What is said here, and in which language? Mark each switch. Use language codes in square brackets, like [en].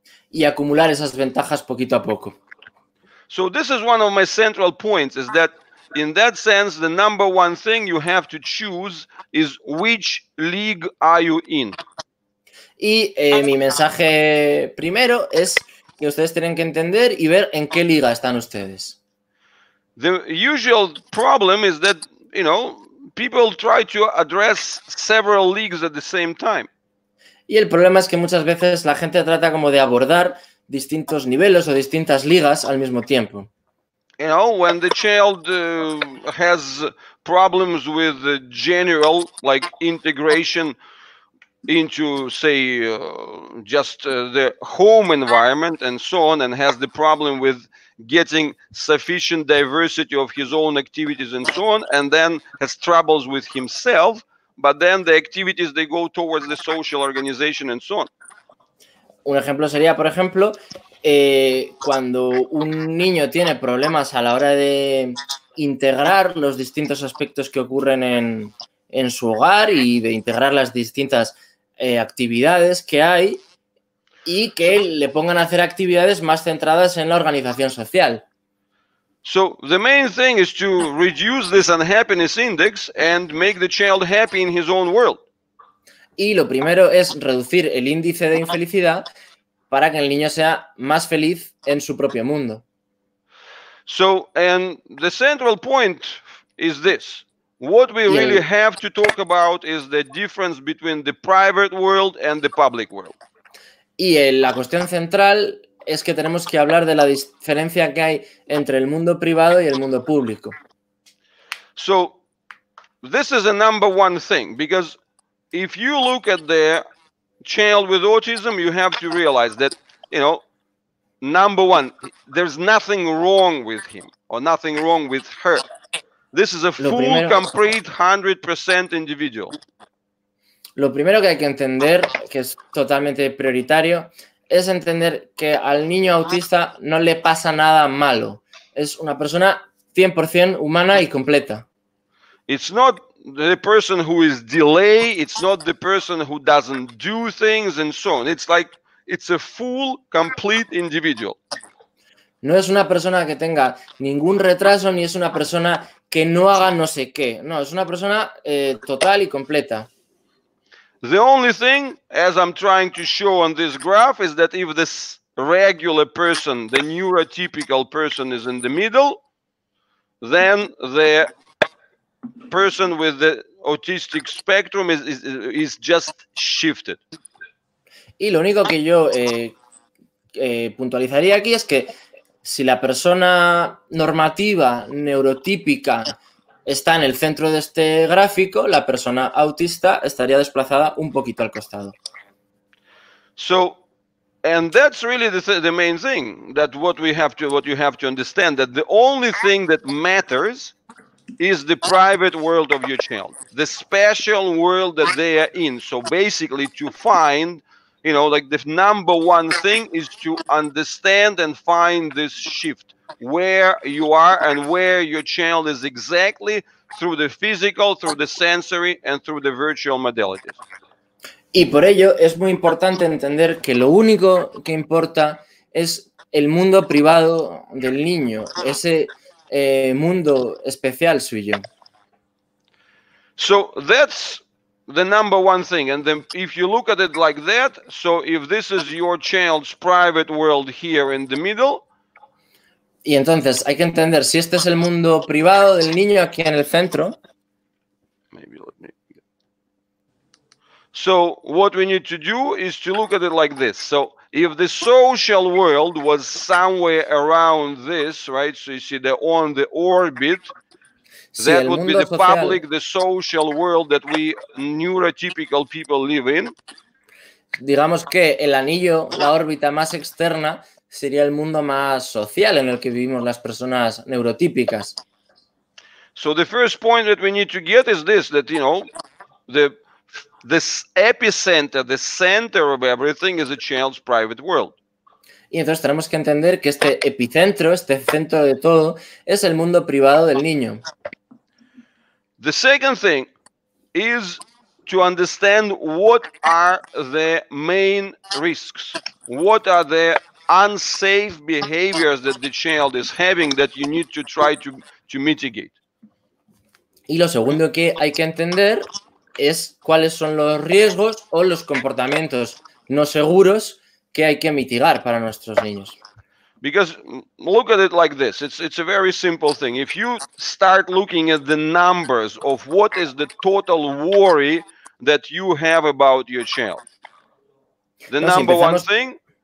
[es] Y acumular esas ventajas poquito a poco. [en] So this is one of my central points, is that in that sense, the number one thing you have to choose is which league are you in. [es] Y mi mensaje primero es que ustedes tienen que entender y ver en qué liga están ustedes. [en] The usual problem is that, you know, people try to address several leagues at the same time. [es] Y el problema es que muchas veces la gente trata como de abordar distintos niveles o distintas ligas al mismo tiempo. [en] You know, when the child has problems with the general, like integration into, say, just the home environment and so on, and has the problem with getting sufficient diversity of his own activities and so on, and then has troubles with himself, but then the activities, they go towards the social organization and so on. [es] Un ejemplo sería, por ejemplo, cuando un niño tiene problemas a la hora de integrar los distintos aspectos que ocurren en su hogar y de integrar las distintas actividades que hay y que le pongan a hacer actividades más centradas en la organización social. [en] So the main thing is to reduce this unhappiness index and make the child happy in his own world. [es] Y lo primero es reducir el índice de infelicidad para que el niño sea más feliz en su propio mundo. [en] So, and the central point is this. What we really have to talk about is the difference between the private world and the public world. [es] Y la cuestión central es que tenemos que hablar de la diferencia que hay entre el mundo privado y el mundo público. [en] So, this is a number one thing, because if you look at the child with autism, you have to realize that, you know, number one, there's nothing wrong with him or nothing wrong with her. This is a full, complete, 100% individual. [es] Lo primero que hay que entender, que es totalmente prioritario, es entender que al niño autista no le pasa nada malo. Es una persona 100% humana y completa. [en] It's not the person who is delay, it's not the person who doesn't do things and so on. It's like, it's a full, complete individual. [es] No es una persona que tenga ningún retraso, ni es una persona que no haga no sé qué. No, es una persona total y completa. [en] The only thing, as I'm trying to show on this graph, is that if this regular person, the neurotypical person, is in the middle, then the person with the autistic spectrum is just shifted. [es] Y lo único que yo puntualizaría aquí es que si la persona normativa, neurotípica, está en el centro de este gráfico, la persona autista estaría desplazada un poquito al costado. [en] So, and that's really the main thing, that what you have to understand, that the only thing that matters is the private world of your child, the special world that they are in. So basically to find, you know, like the number one thing is to understand and find this shift. Where you are and where your channel is exactly through the physical, through the sensory, and through the virtual modalities. [es] Y por ello es muy importante entender que lo único que importa es el mundo privado del niño, ese mundo especial suyo. [en] So that's the number one thing. And then if you look at it like that, so if this is your child's private world here in the middle. [es] Y entonces hay que entender si este es el mundo privado del niño aquí en el centro. [en] So what we need to do is to look at it like this. So if the social world was somewhere around this, right? So you see they're on the orbit. [es] Sí, [en] that would be the social, public, the social world that we neurotypical people live in. [es] Digamos que el anillo, la órbita más externa, sería el mundo más social en el que vivimos las personas neurotípicas. [en] So the first point that we need to get is this, that, you know, this epicenter, the center of everything is a child's private world. [es] Y entonces tenemos que entender que este epicentro, este centro de todo, es el mundo privado del niño. [en] The second thing is to understand what are the main risks, what are the unsafe behaviors that the child is having that you need to try to mitigate. [es] Y lo segundo que hay que entender es cuáles son los riesgos o los comportamientos no seguros que hay que mitigar para nuestros niños. [en] Because look at it like this, it's a very simple thing. If you start looking at the numbers of what is the total worry that you have about your child, the number one thing.